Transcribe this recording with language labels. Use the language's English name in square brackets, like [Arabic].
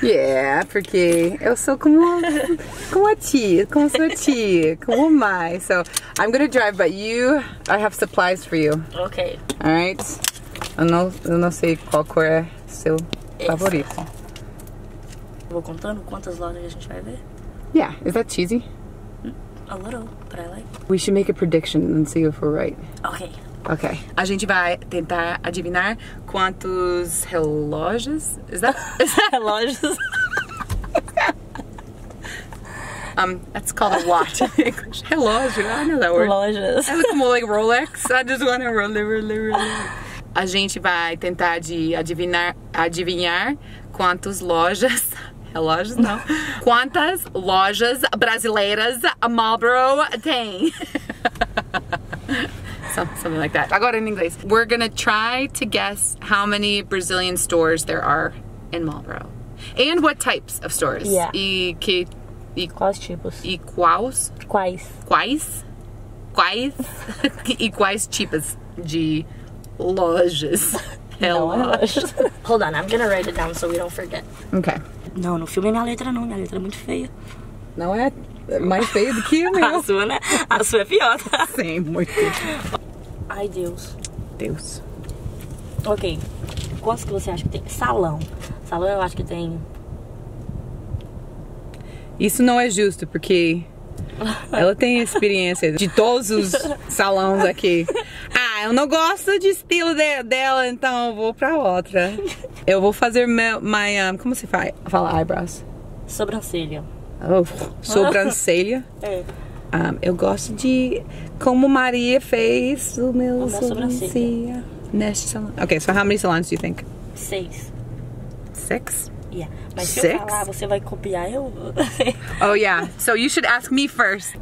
[Portuguese] Yeah, porque eu sou como a tia, como sua tia, como mãe. [English] So I'm gonna drive, but you, I have supplies for you. Okay. All right. [Portuguese] Eu não sei qual cor é seu favorito. Vou contando quantas lojas a gente vai ver? [English] Yeah, is that cheesy? A little, but I like. We should make a prediction and see if we're right. Okay. [Portuguese] Okay. A gente vai tentar adivinhar quantos relógios? [English] Is that [Portuguese] relógios? [English] That's called a watch in English. Relógio, I know that word. [Portuguese] Relógios. [English] I look more like Rolex. I just want a Rolex. [Portuguese] A gente vai tentar de adivinhar quantas lojas. Relógios, não. Quantas lojas brasileiras a Marlboro tem? [English] Something like that. [Portuguese] Agora em inglês. [English] We're gonna try to guess how many Brazilian stores there are in Marlboro. And what types of stores? Yeah. [Portuguese] Quais tipos? Quais tipos de. Lojas. Relógio. [English] Hold on, I'm gonna write it down so we don't forget. Okay. [Portuguese] Não, não filmei minha letra não, minha letra é muito feia. Não é mais feia do que a minha. A sua, né? A sua é pior, tá? Sim, muito. Ai, Deus. Deus. Ok. Quantos que você acha que tem? Salão. Salão eu acho que tem... Isso não é justo, porque... Ela tem experiência de todos os salões aqui. Ah, eu não gosto de estilo dela, então eu vou pra outra. Eu vou fazer minha... Como se fala eyebrows? Sobrancelha. Oh, sobrancelha? É. Eu gosto de... Como Maria fez o meu sobrancelha. Neste salão. [English] Ok, so how many salons do you think? [Portuguese] Seis. [English] Six? [Portuguese] Yeah, mas se eu falar, você vai copiar eu. [English] Oh yeah, so you should ask me first.